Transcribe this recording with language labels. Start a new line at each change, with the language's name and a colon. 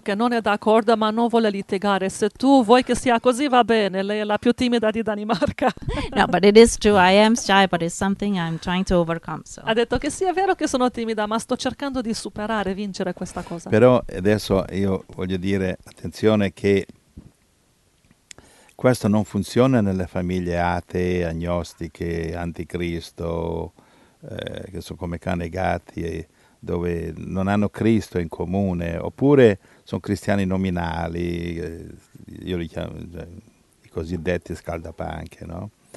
Italian: Che non è d'accordo ma non vuole litigare. Se tu vuoi che sia così va bene, lei è la più timida di Danimarca.
English: No, but it is true, I am shy, but it's something I'm trying to overcome. So.
Italian: Ha detto che sì, è vero che sono timida, ma sto cercando di superare, vincere questa cosa. Però adesso io voglio dire, attenzione, che questo non funziona nelle famiglie atee, agnostiche, anticristo... che sono come cani e gatti, dove non hanno Cristo in comune, oppure sono cristiani nominali, io li chiamo i cosiddetti scaldapanche, no?